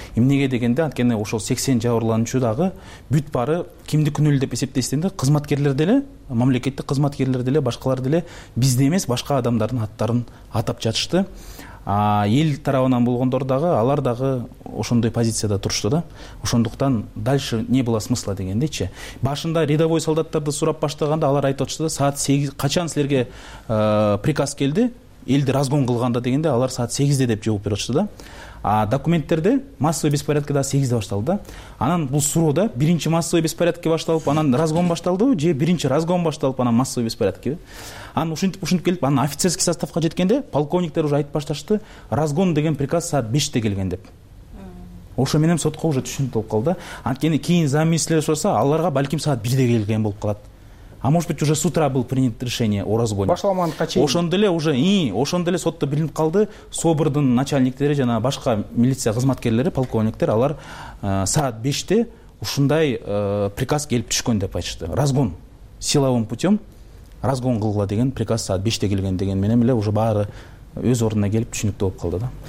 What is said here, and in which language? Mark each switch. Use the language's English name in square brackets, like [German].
[Kyrgyz] Эмнеге дегенде, анткени ошол 80 жабырлануучу дагы бүт бары кимди күнөөлүү деп эсептесинде кызматкерлер деле, мамлекеттик кызматкерлер деле, башкалар деле бизди эмес, башка адамдардын аттарын атап жатышты. Эл тарабынан болгондор дагы алар дагы ошондой позицияда турушту да. Ошондуктан [Russian] дальше не было смысла [Kyrgyz] дегендечи. Башында рядовой солдаттарды сурап баштаганда алар айтып атышты да, саат 8 качан силерге приказ келди элди разгон кылганда дегенде алар саат 8 деп жооп берип атышты да. Документтерде [Russian] массовый беспорядки [Kyrgyz] дагы 8 башталды да. Анан бул суроо да, биринчи массовый беспорядки башталып анан разгон башталдыбы же биринчи разгон башталып анан массовый беспорядкиби? Анан ушинтип келип анан офицерский составка жеткенде полковниктер уже айтып башташты разгон деген приказ саат 5 келген деп. Ошо менен сотко уже түшүнүлүп калды да. Анткени кийин замминистрлер сурса аларга балким саат 1 келген болуп калат. [Russian] А может быть уже с утра был принят решение о разгоне. [Kyrgyz] Башламанга чейин. Ошондо эле уже ошондо эле сотто билинип калды. СОБРдун начальниктери жана башка милиция кызматкерлери, полковниктер алар саат 5 ушундай приказ келип түшкөн деп айтышты. [Russian] Разгон силовым путём [Kyrgyz] разгон кылгыла деген приказ саат 5 келген деген менен эле уже баары өз ордуна келип түшүнүктүү болуп калды да.